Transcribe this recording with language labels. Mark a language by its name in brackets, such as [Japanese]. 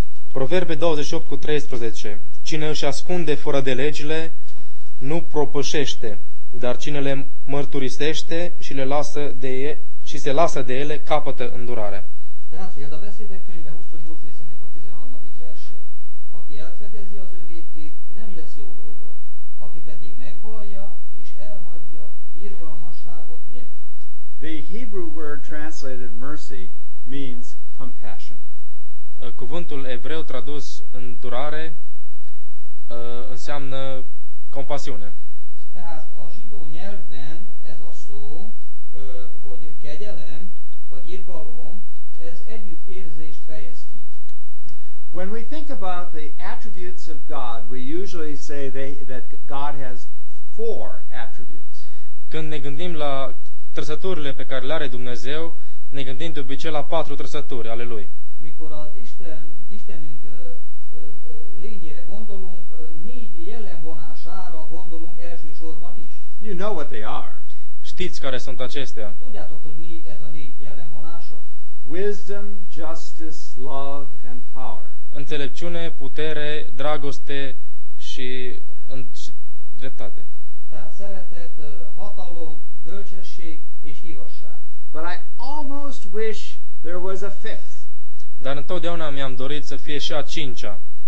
[Romanian] Proverbe 28 cu 13. Cine își ascunde fără de legile, nu propășește. Dar cine le mărturisește și le lasă de ele, și se lasă de ele, capătă îndurare. [Hungarian] Tehát, iată, beszéde könyve 28 részének a 13. verse. Aki elfedezi az övékét, nem lesz jó dolga. Aki pedig megvallja és elhagyja, irgalmasságot nyer. [English] The Hebrew word translated mercy means compassion. [Romanian] Cuvântul evreu tradus îndurare înseamnă compasiune. [Hungarian] Tehát a zsidó nyelvben ez a szó, hogy kegyelem, vagy irgalom, ez együttérzést fejez ki. [English] When we think about the attributes of God, we usually say that God has four attributes. [Romanian] Când ne gândim la trăsăturile pe care le are Dumnezeu, ne gândim de obicei la patru trăsături ale Lui. [Hungarian] Mikor az Istenünk lényére gondolunk, négy jellemvonására gondolunk elsősorban is. [English] You know what they are. [Romanian] Știți care sunt acestea. [Hungarian] Tudjátok, hogy ez a négy jellemvonása? [English] Wisdom, justice, love and power. [Romanian] Înțelepciune, putere, dragoste și dreptate. [Hungarian] Da, szeretet, hatalom, bölcsesség és igazság. [English] But I almost wish there was a fifth. [Romanian] dar întotdeauna mi-am dorit să fie și a cincea.